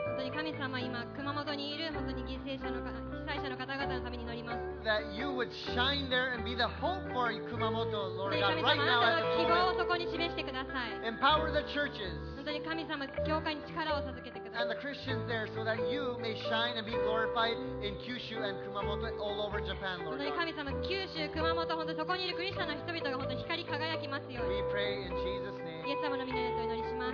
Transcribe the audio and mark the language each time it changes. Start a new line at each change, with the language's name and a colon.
Japanese: 本当に神様、今熊本にいる本当に被災者の方々のために祈ります。
English: That you would shine there and be the hope for Kumamoto, Lord God, right now at this moment.
Japanese: 希望をそこに示してください。
English: Empower the churches.
Japanese: 本当に神様、教会に力を授けてください。
English: And the Christians there, so that you may shine and be glorified in Kyushu and Kumamoto all over Japan, Lord.
Japanese: 本当に神様、九州、熊本、本当そこにいるクリスチャンの人々が本当光り輝きますように。
English: We pray in Jesus' name.
Japanese: イエス様の御名でお祈りします。